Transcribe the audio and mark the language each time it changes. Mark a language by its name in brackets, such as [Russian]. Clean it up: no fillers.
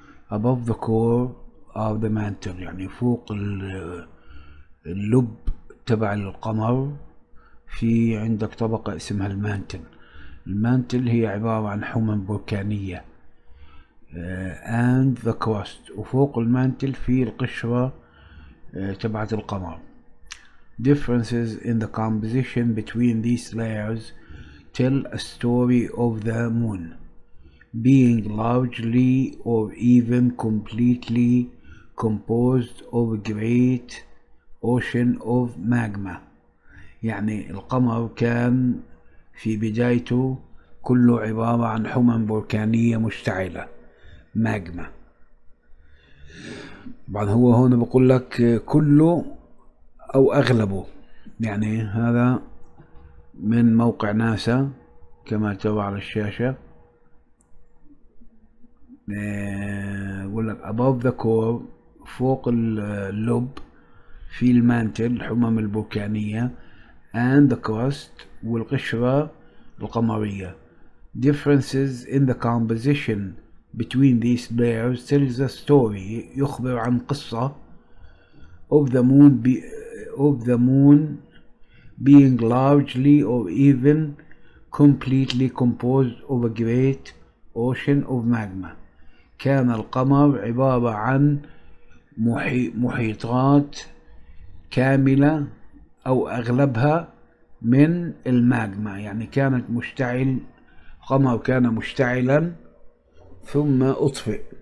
[English] above the core of the mantle [Arabic] يعني فوق اللب تبع القمر في عندك طبقة اسمها المانتل. المانتل هي عبارة عن حمم بركانية [English] and the crust، [Arabic] وفوق المانتل في القشرة تبعت القمر. [English] Differences in the composition between these layers tell a story of the moon being largely or even completely composed of great ocean of magma. [Arabic] يعني القمر كان في بدايته كله عبارة عن حمم بركانية مشتعلة، ماجما. بعد هو هون بقول لك كله أو أغلبه، يعني هذا من موقع ناسا كما ترى على الشاشة، بقول لك [English] above the core [Arabic] فوق اللب في المانتل الحمم البركانية [English] and the crust [Arabic] والقشرة القمرية. [English] Differences in the composition between these layers tells a story، [Arabic] يخبر عن قصة [English] of the moon being largely or even completely composed of a great ocean of magma. [Arabic] كان القمر عبارة عن محيطات كاملة أو أغلبها من الماجما، يعني كانت مشتعل، قمر كان مشتعلا ثم أطفئ.